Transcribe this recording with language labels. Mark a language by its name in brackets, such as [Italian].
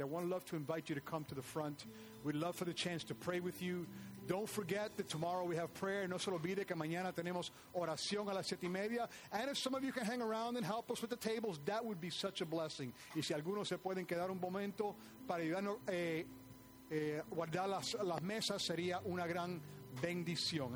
[English] I would love to invite you to come to the front. We'd love for the chance to pray with you. Don't forget that tomorrow we have prayer. [Spanish] No se olvide que mañana tenemos oración a las 7:30. [English] And if some of you can hang around and help us with the tables, that would be such a blessing. [Spanish] Y si algunos se pueden quedar un momento para ayudarnos guardar las mesas, sería una gran bendición.